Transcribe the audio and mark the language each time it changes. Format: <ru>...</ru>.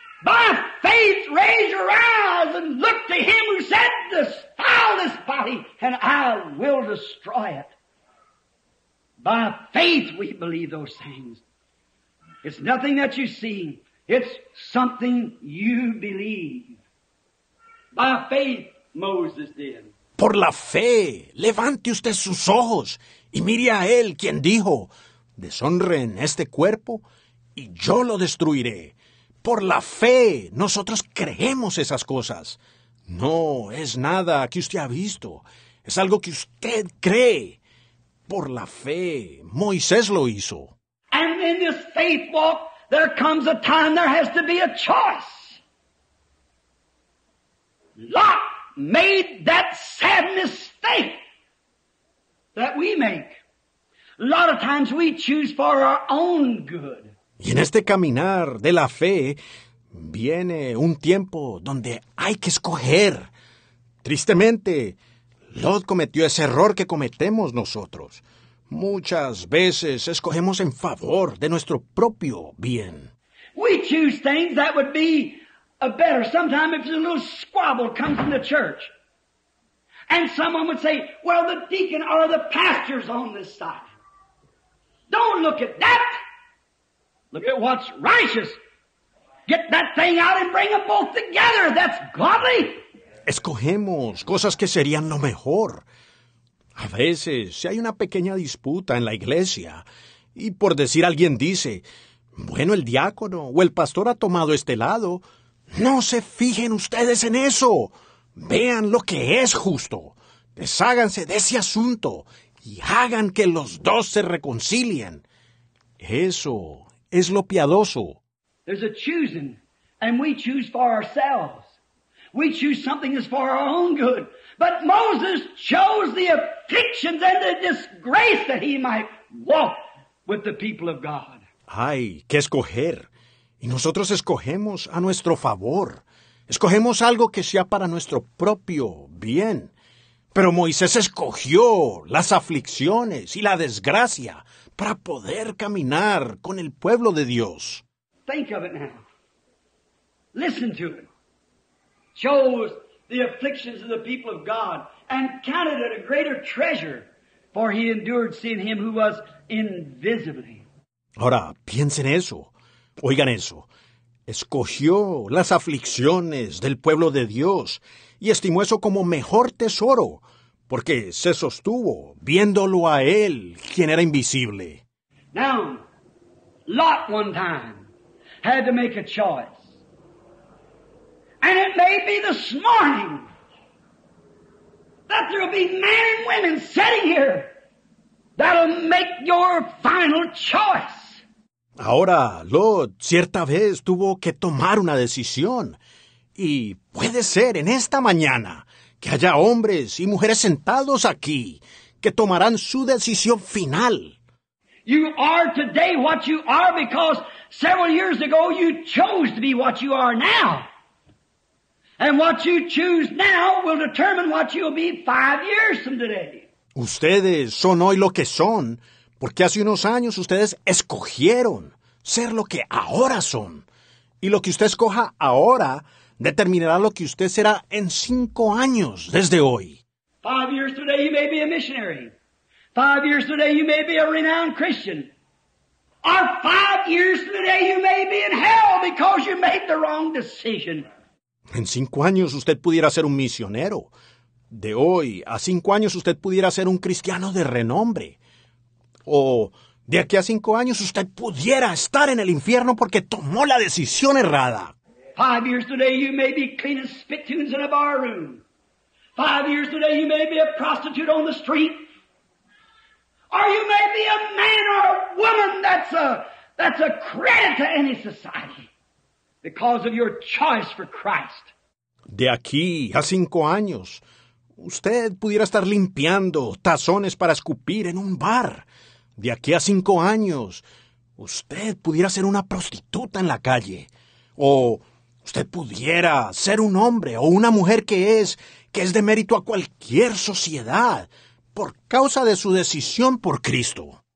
<en>By faith, raise your eyes and look to him who said, "Defile this body, and I will destroy it." By faith, we believe those things. It's nothing that you see. It's something you believe. By faith, Moses did.</en> <es>Por la fe, levante usted sus ojos y mire a él quien dijo, deshonren este cuerpo y yo lo destruiré. Por la fe, nosotros creemos esas cosas. No es nada que usted ha visto. Es algo que usted cree. Por la fe, Moisés lo hizo.</es> <en>And in this faith walk, there comes a time there has to be a choice. Lot made that sad mistake that we make. A lot of times we choose for our own good.</en> <es>Y en este caminar de la fe, viene un tiempo donde hay que escoger. Tristemente, Lot cometió ese error que cometemos nosotros. Muchas veces escogemos en favor de nuestro propio bien.</es> <en>We choose things that would be a better. Sometimes if a little squabble comes in the church, and someone would say, well, the deacon or the pastor's on this side. Don't look at that. Look at what's righteous. Get that thing out and bring them both together. That's godly.</en> <es>Escogemos cosas que serían lo mejor. A veces, si hay una pequeña disputa en la iglesia, y por decir alguien dice, bueno, el diácono o el pastor ha tomado este lado, no se fijen ustedes en eso. Vean lo que es justo. Desháganse de ese asunto y hagan que los dos se reconcilien. Eso es lo piadoso.</es> <en>There's a choosing, and we choose for ourselves. We choose something that's for our own good. But Moses chose the afflictions and the disgrace that he might walk with the people of God.</en> <es>Ay, qué escoger. Y nosotros escogemos a nuestro favor. Escogemos algo que sea para nuestro propio bien. Pero Moisés escogió las aflicciones y la desgracia para poder caminar con el pueblo de Dios.</es> <en>Think of it now. Listen to it. Chose the afflictions of the people of God and counted it a greater treasure, for he endured seeing him who was invisible.</en> <es>Ahora, piensen eso. Oigan eso. Escogió las aflicciones del pueblo de Dios y estimó eso como mejor tesoro, porque se sostuvo viéndolo a él, quien era invisible.</es> <en>Now, Lot one time had to make a choice. And it may be this morning that there will be men and women sitting here that'll make your final choice.</en> <es>Ahora, Lot cierta vez tuvo que tomar una decisión. Y puede ser en esta mañana que haya hombres y mujeres sentados aquí que tomarán su decisión final.</es> <en>You are today what you are because several years ago you chose to be what you are now. And what you choose now will determine what you'll be 5 years from today.</en> <es>Ustedes son hoy lo que son porque hace unos años ustedes escogieron ser lo que ahora son. Y lo que usted escoja ahora determinará lo que usted será en 5 años desde hoy.</es> <en>5 years today you may be a missionary. 5 years today you may be a renowned Christian. Or 5 years today you may be in hell because you made the wrong decision.</en> <es>En 5 años usted pudiera ser un misionero. De hoy a 5 años usted pudiera ser un cristiano de renombre. O de aquí a 5 años usted pudiera estar en el infierno porque tomó la decisión errada.</es> <en>5 years today you may be cleaning spittoons in a bar room. 5 years today you may be a prostitute on the street. Or you may be a man or a woman that's a credit to any society because of your choice for Christ.</en> <es>De aquí a 5 años usted pudiera estar limpiando tazones para escupir en un bar. De aquí a 5 años, usted pudiera ser una prostituta en la calle. O usted pudiera ser un hombre o una mujer que es de mérito a cualquier sociedad por causa de su decisión por Cristo.</es>